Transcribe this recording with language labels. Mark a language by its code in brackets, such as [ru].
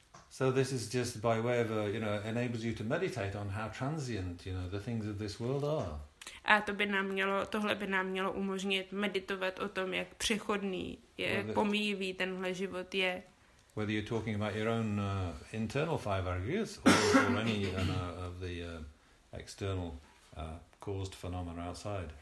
[en] So this is just by way of you know, enables you to meditate on how transient, you know, the things of this world are. [cs] A tohle by nám mělo umožnit meditovat o tom, jak přechodný je, jak pomíjivý tenhle život je. [en] Whether you're talking about your own internal five aggregates or any of the external caused phenomena outside.